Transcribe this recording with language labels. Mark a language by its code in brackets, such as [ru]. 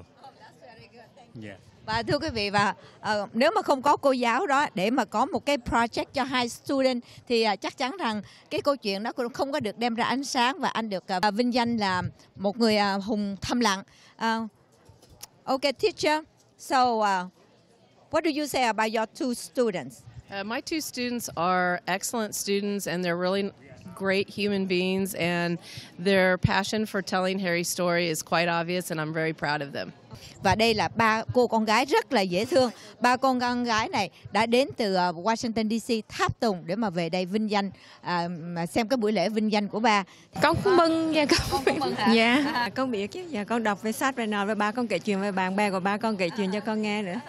[en] Oh, that's very good. Thank you. [vi] Và thưa quý vị, và nếu mà không có cô giáo đó để mà có một cái project cho hai student thì chắc chắn rằng cái câu chuyện đó cũng không có được đem ra ánh sáng và anh được vinh danh là một người hùng thầm lặng. [en] Okay, teacher. So, what do you say about your two students? My two students are excellent students, and they're really great human beings, and their passion for telling Harry's story is quite obvious, and I'm very proud of them. [vi] Và đây là ba cô con gái rất là dễ thương. Ba cô con gái này đã đến từ Washington DC tháp tùng để mà về đây vinh danh, xem cái buổi lễ vinh danh của ba. Con cũng mừng nha. Con cũng mừng hả? Dạ. Con biết chứ. Dạ, con đọc về sách, về nào, với ba con kể chuyện với bạn bè của ba con kể chuyện cho con nghe nữa.